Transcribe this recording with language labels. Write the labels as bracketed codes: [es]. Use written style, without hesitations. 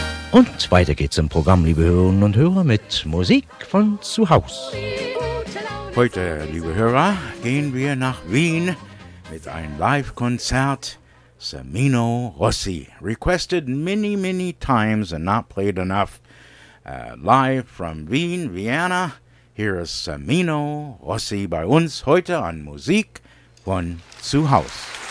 [de] Und weiter geht's im Programm, liebe Hörerinnen und Hörer, mit Musik von zu Haus. Heute, liebe Hörer, gehen wir nach Wien mit einem Live-Konzert. [en] Semino Rossi, requested many, many times and not played enough. Live from Wien, Vienna, here is Semino Rossi [de] bei uns heute [en] on Musik von zu Haus.